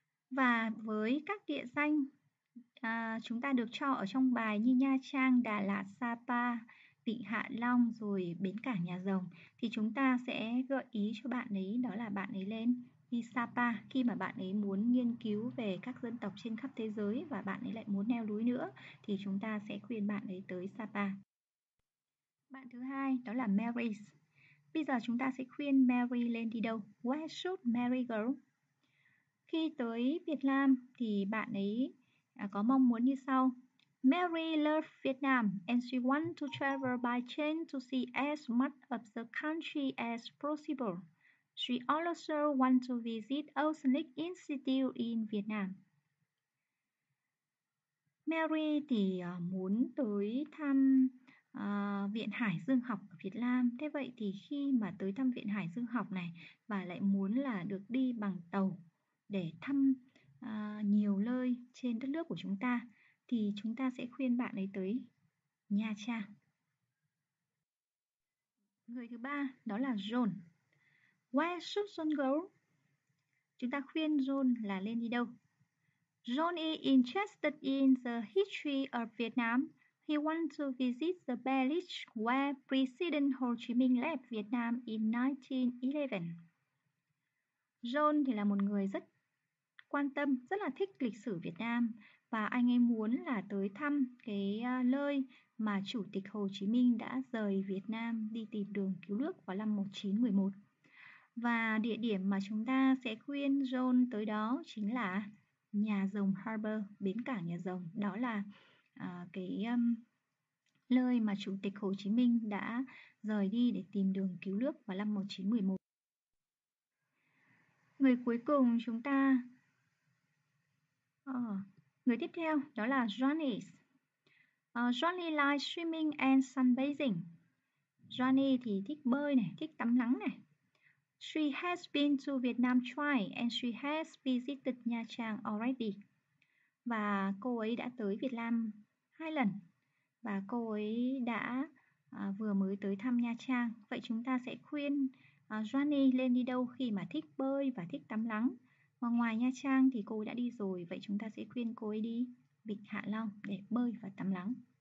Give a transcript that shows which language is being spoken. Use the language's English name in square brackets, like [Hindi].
[Vietnamese] Và với các địa danh chúng ta được cho ở trong bài như Nha Trang, Đà Lạt, Sapa, Vịnh Hạ Long rồi bến cảng Nhà Rồng thì chúng ta sẽ gợi ý cho bạn ấy đó là bạn ấy lên đi Sapa khi mà bạn ấy muốn nghiên cứu về các dân tộc trên khắp thế giới và bạn ấy lại muốn leo núi nữa thì chúng ta sẽ khuyên bạn ấy tới Sapa. Bạn thứ hai đó là Mary. Bây giờ chúng ta sẽ khuyên Mary lên đi đâu? [English] Where should Mary go? [Vietnamese] Khi tới Việt Nam thì bạn ấy có mong muốn như sau. [English] Mary loves Việt Nam and she wants to travel by train to see as much of the country as possible. She also wants to visit Oceanic Institute in Vietnam. [Vietnamese] Mary thì muốn tới thăm Viện Hải Dương Học ở Việt Nam. Thế vậy thì khi mà tới thăm Viện Hải Dương Học này, bà lại muốn là được đi bằng tàu để thăm nhiều nơi trên đất nước của chúng ta, thì chúng ta sẽ khuyên bạn ấy tới Nha Trang. Người thứ ba đó là John. [English] Where should John go? [Vietnamese] Chúng ta khuyên John là lên đi đâu? [English] John is interested in the history of Vietnam. He wants to visit the village where President Ho Chi Minh left Vietnam in 1911. [Vietnamese] John thì là một người rất quan tâm, rất là thích lịch sử Việt Nam và anh ấy muốn là tới thăm cái nơi mà Chủ tịch Hồ Chí Minh đã rời Việt Nam đi tìm đường cứu nước vào năm 1911. Và địa điểm mà chúng ta sẽ khuyên John tới đó chính là Nhà Rồng Harbor, bến cảng Nhà Rồng. Đó là cái nơi mà Chủ tịch Hồ Chí Minh đã rời đi để tìm đường cứu nước vào năm 1911. Người cuối cùng chúng ta người tiếp theo đó là Johnny. [English] Johnny likes swimming and sunbathing. [Vietnamese] Johnny thì thích bơi này, thích tắm nắng này. [English] She has been to Vietnam twice and she has visited Nha Trang already. [Vietnamese] Và cô ấy đã tới Việt Nam 2 lần và cô ấy đã vừa mới tới thăm Nha Trang. Vậy chúng ta sẽ khuyên Johnny lên đi đâu khi mà thích bơi và thích tắm nắng. Mà ngoài Nha Trang thì cô ấy đã đi rồi, vậy chúng ta sẽ khuyên cô ấy đi Vịnh Hạ Long để bơi và tắm nắng.